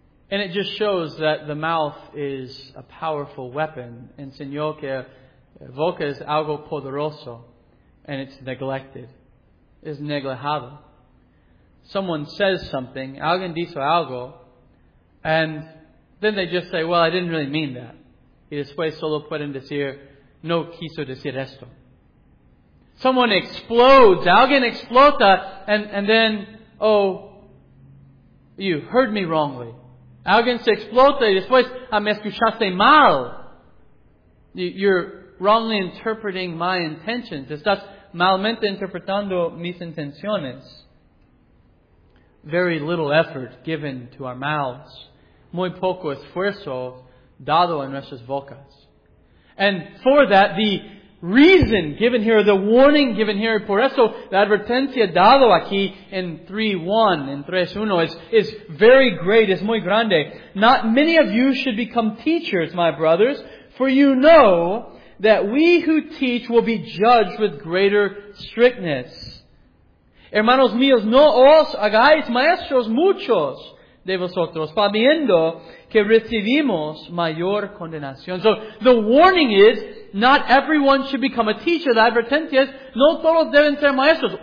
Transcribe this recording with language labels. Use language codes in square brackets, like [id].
[en] And it just shows that the mouth is a powerful weapon. [es] And Señor, que boca es algo poderoso. [en] And it's neglected. [es] Es negligible. [en] Someone says something. [es] Alguien dice algo. [en] And then they just say, well, I didn't really mean that. [es] Y después solo pueden decir, no quiso decir esto. [en] Someone explodes. [es] Alguien explota. [en] And then, oh, you heard me wrongly. [es] Alguien se explota y después, ah, me escuchaste mal. [en] You're wrongly interpreting my intentions. [es] Estás malmente interpretando mis intenciones. [en] Very little effort given to our mouths. [es] Muy poco esfuerzo dado en nuestras bocas. [en] And for that, the reason given here, the warning given here, [es] por eso la advertencia dado aquí en 3:1, [en] en 3:1, is very great, [es] es muy grande. [en] Not many of you should become teachers, my brothers, for you know that we who teach will be judged with greater strictness. [es] Hermanos míos, no os hagáis maestros muchos de vosotros, sabiendo que recibimos mayor condenación. [en] So the warning is, not everyone should become a teacher. [es] La advertencia es, no todos deben ser maestros.